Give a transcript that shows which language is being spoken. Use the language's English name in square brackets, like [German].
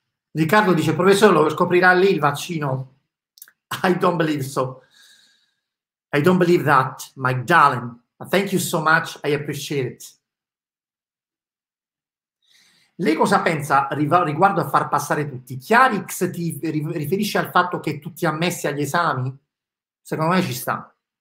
[Italian] Riccardo dice, professore, lo scoprirà lì il vaccino. [English] I don't believe that, my darling. But thank you so much, I appreciate it. [Italian] Lei cosa pensa riguardo a far passare tutti? Chiarix ti riferisce al fatto che tutti ammessi agli esami? Secondo me ci sta.